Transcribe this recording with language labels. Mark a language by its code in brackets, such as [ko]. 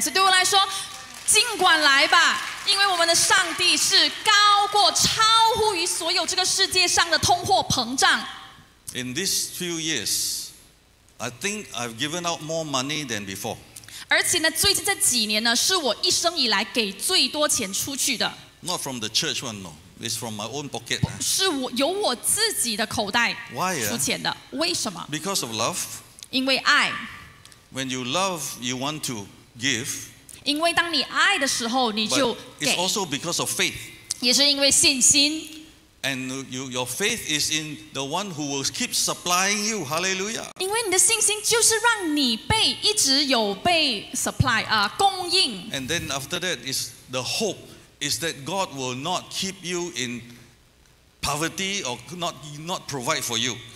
[zh] So, 对我来说，尽管来吧，因为我们的上帝是高过、超乎于所有这个世界上的通货膨胀。 [en] In these few years, I think I've given out more money than before. [zh] 而且呢，最近这几年呢，是我一生以来给最多钱出去的。 [en] Not from the church one, no. It's from my own pocket. [zh] 是由我自己的口袋 出钱的 为什么? [en] Because of love. [zh] 因为爱. [en] When you love, you want to give. [zh] 因为当你爱的时候, 你就给. [en] But it's also because of faith. [zh] 也是因为信心. [en] And your faith is in the one who will keep supplying you. Hallelujah. [zh] 因为你的信心就是让你被一直有被 supply, 供应. [en] And then after that is the hope. Is that God will not keep you in poverty or not provide for you.